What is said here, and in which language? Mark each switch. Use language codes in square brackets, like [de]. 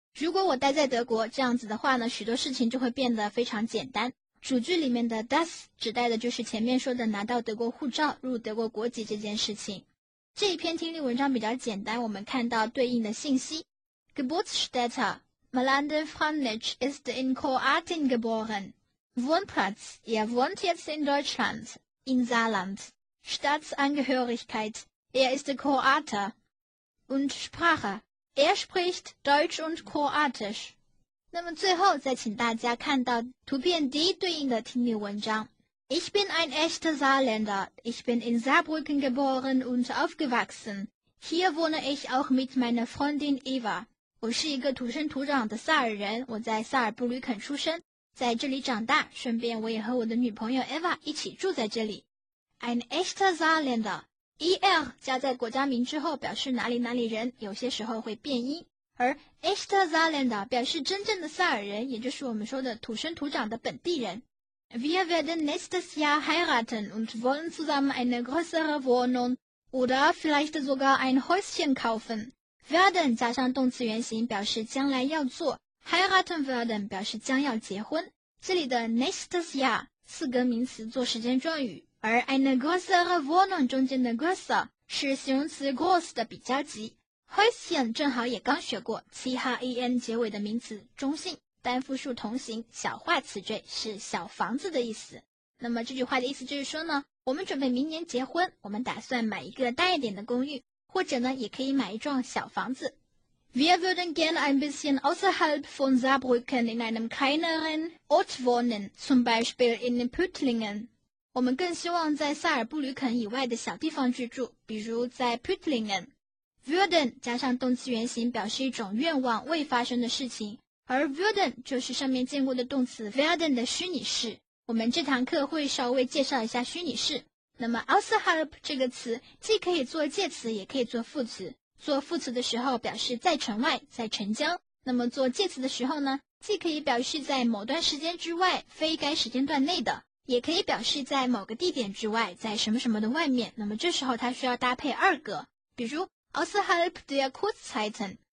[zh] 如果我待在德国，这样子的话呢，许多事情就会变得非常简单。主句里面的 das 指代的就是前面说的拿到德国护照、入德国国籍这件事情。这一篇听力文章比较简单，我们看到对应的信息 ： [de] Geburtsstätte Melander Franich ist in Kroatien geboren. Wohnplatz: Er wohnt jetzt in Deutschland, in Saarland. Staatsangehörigkeit: Er ist Kroate. Und Sprache. spricht Deutsch und Kroatisch. [zh] 那么最后再请大家看到图片 D 对应的听力文章。 [de] Ich bin ein echter Saarländer. Ich bin in Saarbrücken geboren und aufgewachsen. Hier wohne ich auch mit meiner Freundin Eva. [zh] 我是一个土生土长的萨尔人，我在萨尔布吕肯出生，在这里长大，顺便我也和我的女朋友 Eva 一起住在这里。 [de] Ein echter Saarländer. [zh] ER 加在国家名之后表示哪里哪里人，有些时候会变音，而 [de] Echter Saarländer [zh] 表示真正的萨尔人，也就是我们说的土生土长的本地人。 [de] Wir werden nächstes Jahr heiraten und wollen zusammen eine größere Wohnung oder vielleicht sogar ein Häuschen kaufen. [zh] Werden 加上动词原形表示将来要做， [de] heiraten werden [zh] 表示将要结婚。这里的 [de] nächstes Jahr [zh] 四格名词做时间状语，而 [de] eine größere Wohnung [zh] 中间的 größer 是形容词 groß 的比较级， Häuschen 正好也刚学过 CHEN 结尾的名词，中性单复数同形小化词缀，是小房子的意思。那么这句话的意思就是说呢，我们准备明年结婚，我们打算买一个大一点的公寓，或者呢也可以买一幢小房子。 [de] Wir würden gerne ein bisschen außerhalb von Saarbrücken in einem kleineren Ort wohnen, zum Beispiel in Püttlingen. [zh] 我们更希望在萨尔布吕肯以外的小地方居住，比如在 Püttlingen。 Würden 加上动词原形表示一种愿望，未发生的事情，而 Würden 就是上面见过的动词 Werden 的虚拟式。我们这堂课会稍微介绍一下虚拟式。那么 außerhalb 这个词既可以做介词也可以做副词，做副词的时候表示在城外，在城郊，那么做介词的时候呢，既可以表示在某段时间之外，非该时间段内的，也可以表示在某个地点之外，在什么什么的外面，那么这时候它需要搭配二格，比如 [de] außerhalb der Kurszeiten